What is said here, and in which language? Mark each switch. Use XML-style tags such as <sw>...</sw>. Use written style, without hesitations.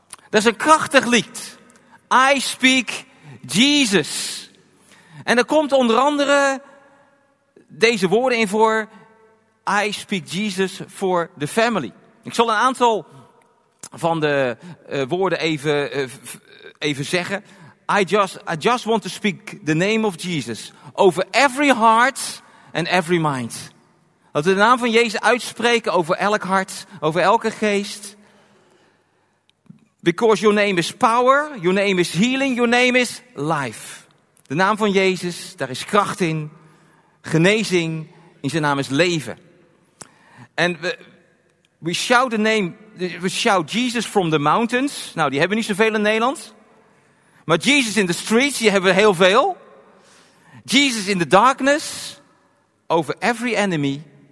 <nl>Dat is een krachtig lied.</nl> <en>I speak Jesus.</en> <nl>En er komt onder andere deze woorden in voor.</nl> <en>I speak Jesus for the family.</en> <nl>Ik zal een aantal van de woorden even zeggen.</nl> <en>I just want to speak the name of Jesus over every heart and every mind.</en> <nl>Dat we de naam van Jezus uitspreken over elk hart, over elke geest.</nl> <en>Because your name is power, your name is healing, your name is life.</en> <nl>De naam van Jezus, daar is kracht in, genezing, in zijn naam is leven. En we</nl> <en>shout Jesus from the mountains.</en> <nl>Nou, die hebben we niet zoveel in Nederland. Maar Jesus</nl> <en>in the streets,</en> <nl>die hebben we heel veel.</nl> <en>Jesus in the darkness, over every enemy.</en>